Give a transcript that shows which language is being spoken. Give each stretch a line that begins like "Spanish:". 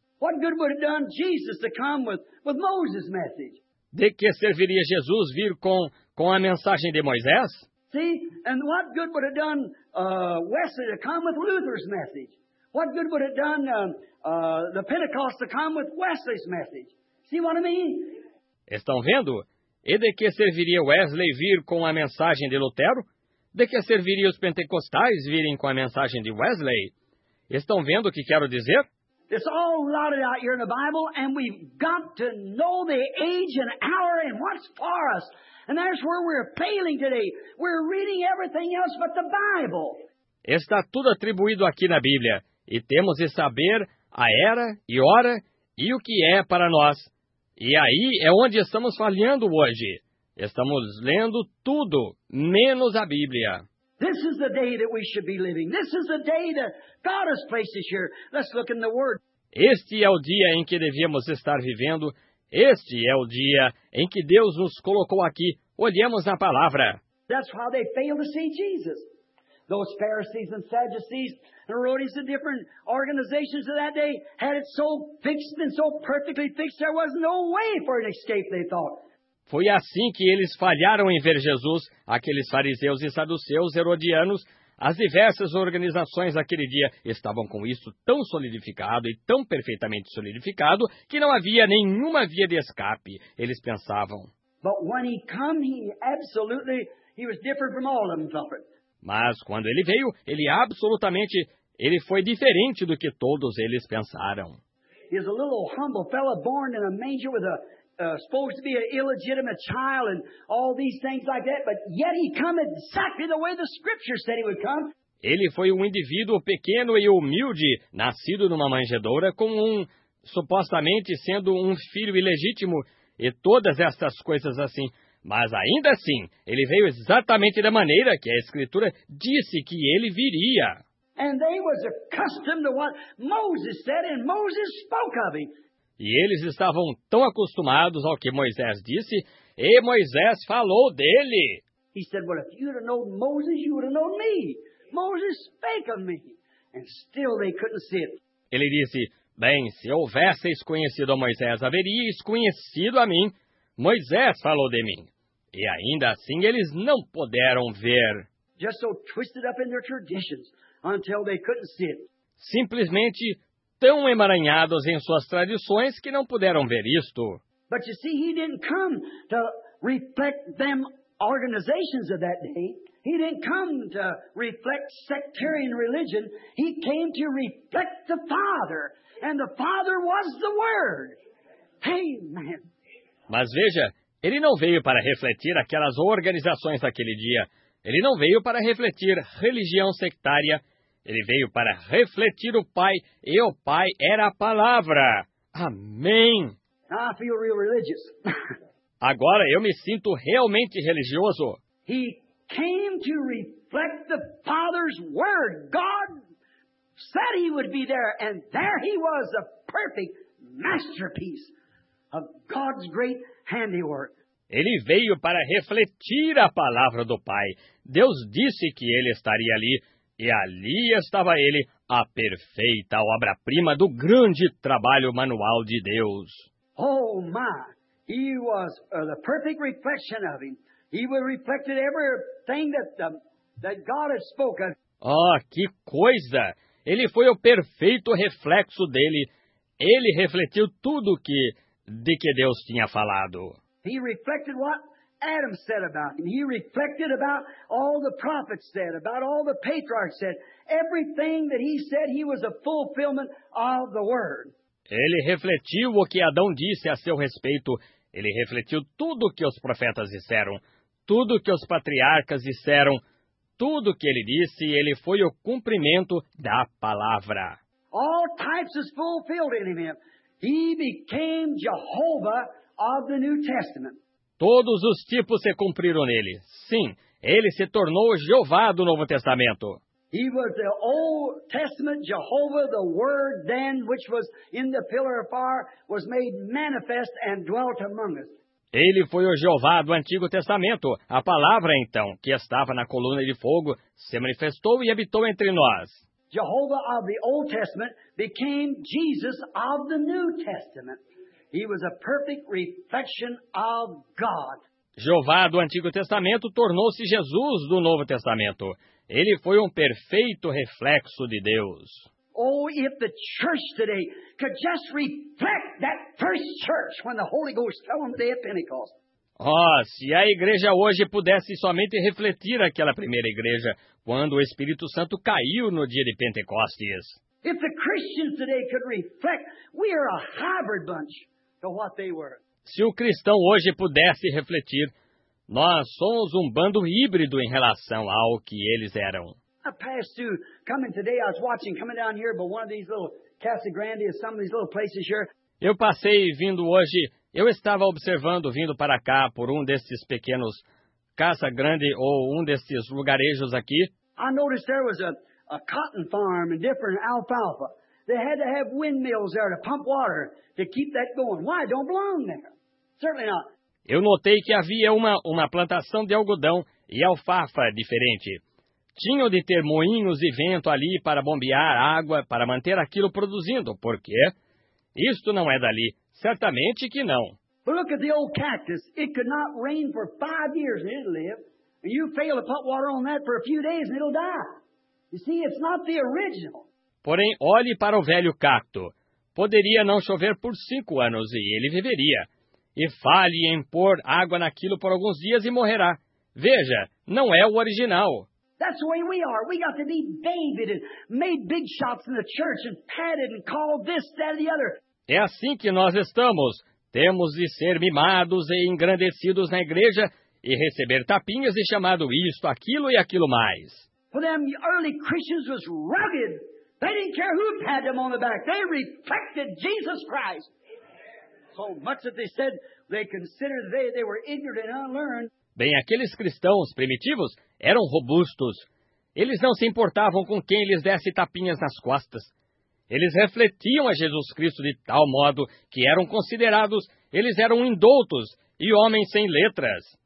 English: What good would have done Jesus to come with Moses' message?
Portuguese: De que serviria Jesus vir com a mensagem de Moisés?
English: See, and what good would have done Wesley to come with Luther's message? What good would it done the Pentecost to come with Wesley's message? See what I mean?
Portuguese: Estão vendo? E de que serviria Wesley vir com a mensagem de Lutero? De que serviria os pentecostais virem com a mensagem de Wesley? Estão vendo o que quero dizer?
English: It's all routed out here in the Bible, and we've got to know the age and hour and what's for us. And that's where we're failing today. We're reading everything else but the Bible.
Portuguese: Está tudo atribuído aqui na Bíblia, e temos de saber a era e hora e o que é para nós. E aí é onde estamos falhando hoje. Estamos lendo tudo, menos a Bíblia.
English: This is the day that we should be living. This is the day that God has placed us here. Let's look in the Word.
Portuguese: Este é o dia em que devíamos estar vivendo. Este é o dia em que Deus nos colocou aqui. Olhemos a palavra.
English: That's why they failed to see Jesus. Those Pharisees and Sadducees and Herodians and different organizations of that day had it so fixed and so perfectly fixed there was no way for an escape, they thought.
Portuguese: Foi assim que eles falharam em ver Jesus, aqueles fariseus e saduceus, herodianos, as diversas organizações daquele dia estavam com isso tão solidificado e tão perfeitamente solidificado que não havia nenhuma via de escape, eles pensavam.
English: But when he come, he was different from all of them, thought.
Portuguese: Mas quando ele veio, ele absolutamente, ele foi diferente do que todos eles pensaram.
English: He's a little humble fellow born in a manger with a supposed to be an illegitimate child and all these things like that, but yet he come exactly the way the scripture said he would come.
Portuguese: Ele foi um indivíduo pequeno e humilde, nascido numa manjedoura com um supostamente sendo um filho ilegítimo e todas essas coisas assim. Mas ainda assim, ele veio exatamente da maneira que a Escritura disse que ele viria.
English: And they was accustomed to what Moses said, and Moses spoke of him.
Portuguese: E eles estavam tão acostumados ao que Moisés disse, e Moisés falou dele.
English: He said, well, if you'd have known Moses, you would have known me. Moses spake of me. And still they couldn't see it.
Portuguese: Ele disse, bem, se houvesseis conhecido a Moisés, haveríeis conhecido a mim. Moisés falou de mim. E ainda assim eles não puderam ver.
English: Just so twisted up in their traditions until they couldn't see it.
Portuguese: Simplesmente tão emaranhados em suas tradições que não puderam ver isto.
English: But you see, he didn't come to reflect them organizations of that day. He didn't come to reflect sectarian religion. He came to reflect the Father. And the Father was the Word. Amen.
Portuguese: Mas veja, ele não veio para refletir aquelas organizações daquele dia. Ele não veio para refletir religião sectária. Ele veio para refletir o Pai. E o Pai era a palavra. Amém.
English: I feel real religious.
Portuguese: Agora eu me sinto realmente religioso.
English: He came to reflect the Father's word. God said he would be there, and there he was, a perfect masterpiece of God's great handiwork.
Portuguese: Ele veio para refletir a palavra do Pai. Deus disse que ele estaria ali, e ali estava ele, a perfeita obra-prima do grande trabalho manual de Deus.
English: Oh, my! He was the perfect reflection of him. He reflected everything that God had spoken.
Portuguese: Oh, que coisa! Ele foi o perfeito reflexo dele. Ele refletiu tudo de que Deus tinha falado.
English: He reflected what Adam said about him. He reflected about all the prophets said, about all the patriarchs said. Everything that he said, he was a fulfillment of the word.
Portuguese: Ele refletiu o que Adão disse a seu respeito. Ele refletiu tudo o que os profetas disseram, tudo o que os patriarcas disseram, tudo o que ele disse, ele foi o cumprimento da palavra.
English: All types is fulfilled in him. He became Jehovah of the New Testament.
Portuguese: Todos os tipos se cumpriram nele. Sim, ele se tornou Jeová do Novo Testamento.
English: He was the Old Testament Jehovah, the Word then, which was in the pillar of fire, was made manifest and dwelt among us.
Portuguese: Ele foi o Jeová do Antigo Testamento, a palavra então, que estava na coluna de fogo, se manifestou e habitou entre nós.
English: Jehovah of the Old Testament became Jesus of the New Testament. He was a perfect reflection of God.
Portuguese: Jeová do Antigo Testamento tornou-se Jesus do Novo Testamento. Ele foi um perfeito reflexo de Deus.
English: Oh, if the church today could just reflect that first church when the Holy Ghost fell on the day of Pentecost.
Portuguese: Oh, se a igreja hoje pudesse somente refletir aquela primeira igreja quando o Espírito Santo caiu no dia de Pentecostes.
English: If the Christians today could reflect, we are a hybrid bunch to what they were.
Portuguese: Se o cristão hoje pudesse refletir, nós somos um bando híbrido em relação ao que eles eram.
English: I passed through, coming today, I was watching, coming down here, but one of these little Casa Grande and some of these little places here.
Portuguese: Eu passei vindo hoje, eu estava observando, vindo para cá, por um desses pequenos Casa Grande ou um desses lugarejos aqui.
English: I noticed there was a cotton farm and different alfalfa. They had to have windmills there to pump water to keep that going. Why? Don't belong there. Certainly not.
Portuguese: Eu notei que havia uma plantação de algodão e alfafa diferente. Tinham de ter moinhos e vento ali para bombear água, para manter aquilo produzindo. Por quê? Isto não é dali. Certamente que não.
English: But look at the old cactus. It could not rain for 5 years and it'll live. And you fail to put water on that for a few days and it'll die. You see, it's not the original.
Portuguese: Porém, olhe para o velho cacto. Poderia não chover por 5 anos e ele viveria. E fale em pôr água naquilo por alguns dias e morrerá. Veja, não é o original.
English: That's the way we are. We got to be babied and made big shots in the church and patted and called this, that, and the other.
Portuguese: É assim que nós estamos. Temos de ser mimados e engrandecidos na igreja e receber tapinhas e chamado isto, aquilo e aquilo mais.
English: For them, the early Christians was rugged. They didn't care who patted them on the back. They reflected Jesus Christ. So much that they said they considered they were ignorant and unlearned.
Portuguese: Bem, aqueles cristãos primitivos eram robustos. Eles não se importavam com quem lhes desse tapinhas nas costas. Eles refletiam a Jesus Cristo de tal modo que eram considerados, eles eram indoutos e homens sem letras.